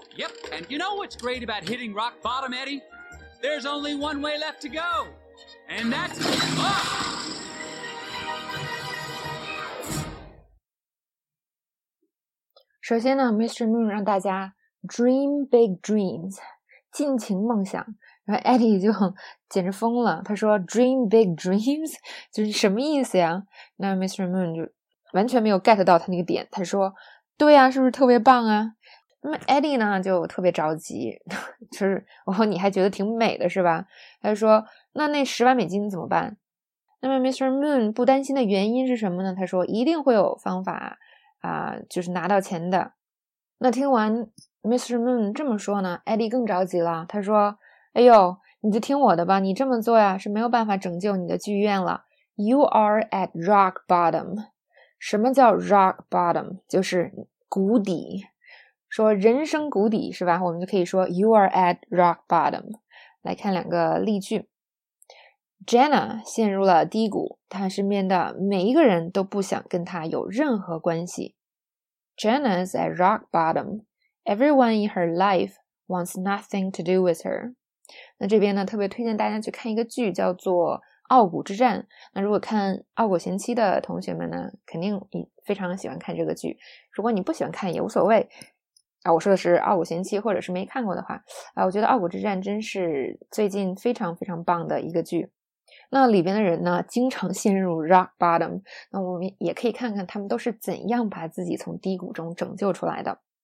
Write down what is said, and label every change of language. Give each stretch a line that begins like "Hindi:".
English: Yep, and you know what's great about hitting rock bottom, Eddie? There's only one way left to go. And that's... Oh!
Chinese: 首先呢 ,Mr. Moon 让大家
English: dream big dreams,
Chinese: 尽情梦想。然后 Eddie 就简直疯了，他说
English: Dream big dreams
Chinese: 就是什么意思呀？那 Mr. Moon 就完全没有 get 到他那个点，他说对呀，是不是特别棒啊？那么 Eddie 呢就特别着急，就是我说你还觉得挺美的是吧？他就说那$100,000怎么办？那么 Mr. Moon 不担心的原因是什么呢？他说一定会有方法啊、就是拿到钱的。那听完 Mr. Moon 这么说呢， Eddie 更着急了，他说哎呦，你就听我的吧，你这么做呀是没有办法拯救你的剧院了。
English: You are at rock bottom.
Chinese: 什么叫 rock bottom? 就是谷底。说人生谷底是吧，我们就可以说
English: You are at rock bottom.
Chinese: 来看两个例句。Jenna 陷入了低谷，她身边的每一个人都不想跟她有任何关系。
English: Jenna is at rock bottom. Everyone in her life wants nothing to do with her.
Chinese: 那这边呢特别推荐大家去看一个剧叫做傲骨之战，那如果看傲骨贤妻的同学们呢肯定非常喜欢看这个剧，如果你不喜欢看也无所谓啊。我说的是傲骨贤妻或者是没看过的话啊，我觉得傲骨之战真是最近非常非常棒的一个剧，那里边的人呢经常陷入 rock bottom， 那我们也可以看看他们都是怎样把自己从低谷中拯救出来的。